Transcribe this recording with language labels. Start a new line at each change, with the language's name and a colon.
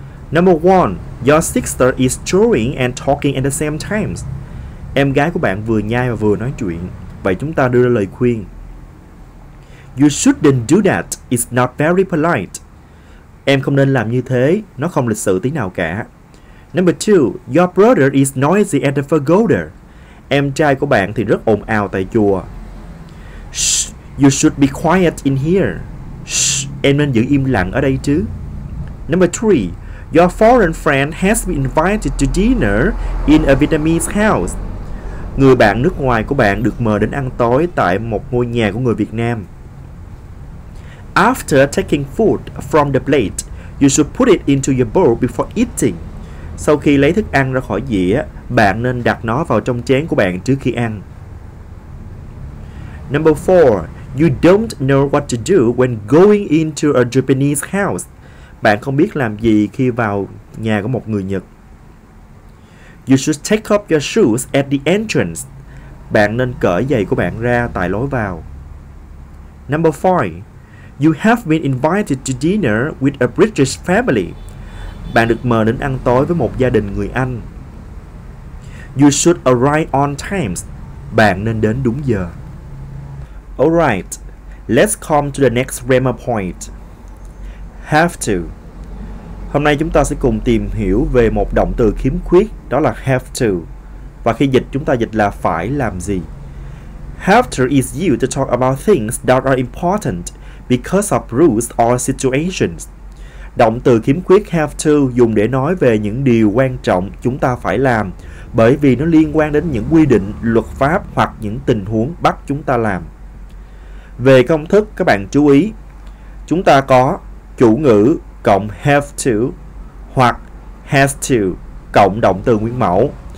English: Number one, your sister is chewing and talking at the same time.
Vietnamese: Em gái của bạn vừa nhai và vừa nói chuyện. Vậy chúng ta đưa ra lời khuyên.
English: You shouldn't do that. It's not very polite.
Vietnamese: Em không nên làm như thế. Nó không lịch sự tí nào cả.
English: Number two, your brother is noisy at the pagoda.
Vietnamese: Em trai của bạn thì rất ồn ào tại chùa.
English: Shh, you should be quiet in here.
Vietnamese: Shh, em nên giữ im lặng ở đây chứ.
English: Number three, your foreign friend has been invited to dinner in a Vietnamese house.
Vietnamese: Người bạn nước ngoài của bạn được mời đến ăn tối tại một ngôi nhà của người Việt Nam.
English: After taking food from the plate, you should put it into your bowl before eating.
Vietnamese: Sau khi lấy thức ăn ra khỏi dĩa, bạn nên đặt nó vào trong chén của bạn trước khi ăn.
English: Number 4. You don't know what to do when going into a Japanese house.
Vietnamese: Bạn không biết làm gì khi vào nhà của một người Nhật.
English: You should take off your shoes at the entrance.
Vietnamese: Bạn nên cởi giày của bạn ra tại lối vào.
English: Number 5. You have been invited to dinner with a British family.
Vietnamese: Bạn được mời đến ăn tối với một gia đình người Anh.
English: You should arrive on time.
Vietnamese: Bạn nên đến đúng giờ.
English: Alright, let's come to the next grammar point. Have to.
Vietnamese: Hôm nay chúng ta sẽ cùng tìm hiểu về một động từ khiếm khuyết, đó là have to. Và khi dịch, chúng ta dịch là phải làm gì.
English: Have to is used to talk about things that are important because of rules or situations.
Vietnamese: Động từ khiếm khuyết have to dùng để nói về những điều quan trọng chúng ta phải làm bởi vì nó liên quan đến những quy định, luật pháp hoặc những tình huống bắt chúng ta làm. Về công thức, các bạn chú ý, chúng ta có chủ ngữ cộng have to hoặc has to cộng động từ nguyên mẫu.